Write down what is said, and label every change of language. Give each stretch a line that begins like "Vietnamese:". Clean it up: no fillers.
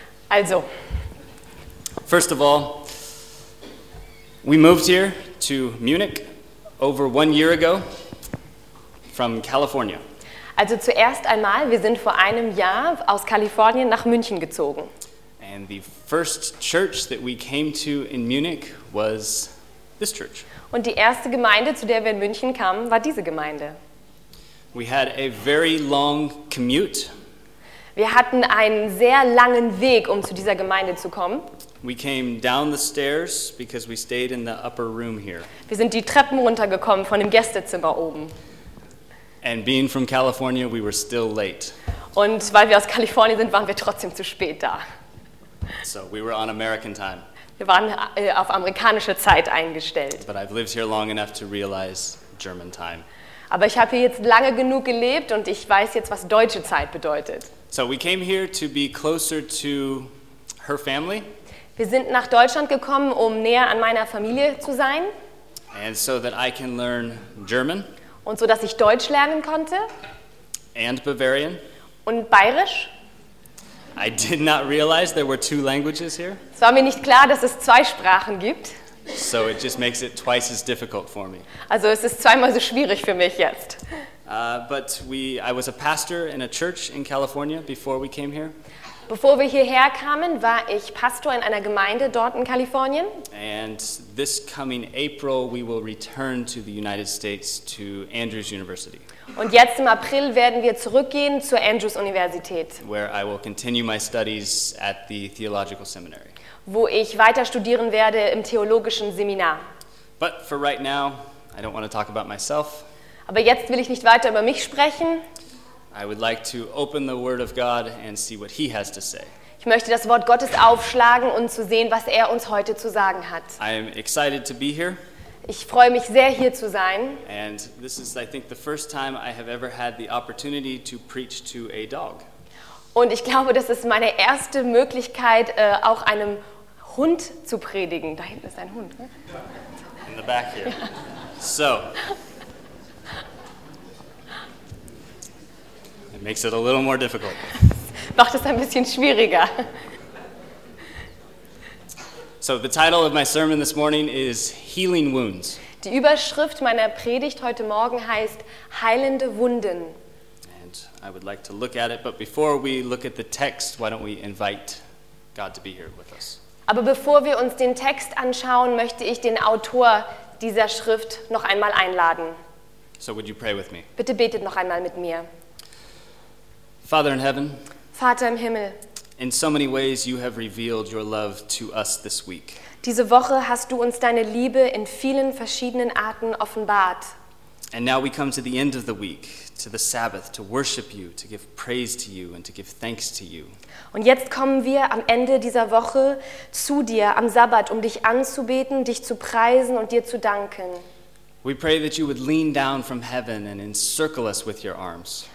English: Also. First of all, we moved here to Munich over 1 year ago from California.
German: Also zuerst einmal, wir sind vor einem Jahr aus Kalifornien nach München gezogen.
English: And the first church that we came to in Munich was this church.
German: Und die erste Gemeinde, zu der wir in München kamen, war diese Gemeinde.
English: We had a very long commute.
German: Wir hatten einen sehr langen Weg, um zu dieser Gemeinde zu kommen.
English: We came down the stairs because we stayed in the upper room here.
German: Wir sind die Treppen runtergekommen von dem Gästezimmer oben.
English: And being from California, we were still late.
German: Und weil wir aus Kalifornien sind, waren wir trotzdem zu spät da.
English: So we were on American time.
German: Wir waren auf amerikanische Zeit eingestellt.
English: But I've lived here long enough to realize German time.
German: Aber ich habe hier jetzt lange genug gelebt und ich weiß jetzt, was deutsche Zeit bedeutet.
English: So we came here to be closer to her family.
German: Wir sind nach Deutschland gekommen, um näher an meiner Familie zu sein.
English: And so that I can learn German.
German: Und so, dass ich Deutsch lernen konnte.
English: And Bavarian.
German: Und Bayerisch.
English: I did not realize there were two languages here.
German: Es war mir nicht klar, dass es zwei Sprachen gibt.
English: So it just makes it twice as difficult for me.
German: Also es ist zweimal so schwierig für mich jetzt.
English: I was a pastor in a church in California before we came here.
German: Bevor wir hierher kamen, war ich Pastor in einer Gemeinde dort in Kalifornien.
English: And this coming April we will return to the United States to Andrews University.
German: Und jetzt im April werden wir zurückgehen zur Andrews Universität.
English: Where I will continue my studies at the theological seminary.
German: Wo ich weiter studieren werde im theologischen Seminar.
English: But for right now, I don't want to talk about myself.
German: Aber jetzt will ich nicht weiter über mich sprechen.
English: I would like to open the word of God and see what he has to say.
German: Ich möchte das Wort Gottes aufschlagen und zu sehen, was er uns heute zu sagen hat.
English: I am excited to be here.
German: Ich freue mich sehr, hier zu sein.
English: And this is, I think, the first time I have ever had the opportunity to preach to a dog.
German: Und ich glaube, das ist meine erste Möglichkeit, auch einem Hund zu predigen. Da hinten ist ein Hund. Ne?
English: In the back here. Ja. So. It makes it a little more difficult.
German: Macht es ein bisschen schwieriger.
English: So the title of my sermon this morning is Healing Wounds.
German: Die Überschrift meiner Predigt heute Morgen heißt Heilende Wunden.
English: And I would like to look at it, but before we look at the text, why don't we invite God to be here with us?
German: Aber bevor wir uns den Text anschauen, möchte ich den Autor dieser Schrift noch einmal einladen.
English: So would you pray with me?
German: Bitte betet noch einmal mit mir.
English: Father in heaven.
German: Vater im Himmel.
English: In so many ways you have revealed your love to us this week.
German: Diese Woche hast du uns deine Liebe in vielen verschiedenen Arten offenbart.
English: And now we come to the end of the week, to the Sabbath, to worship you, to give praise to you and to give thanks to you.
German: Und jetzt kommen wir am Ende dieser Woche zu dir am Sabbat, um dich anzubeten, dich zu preisen und dir zu danken.
English: We pray that you would lean down from heaven and encircle us with your arms.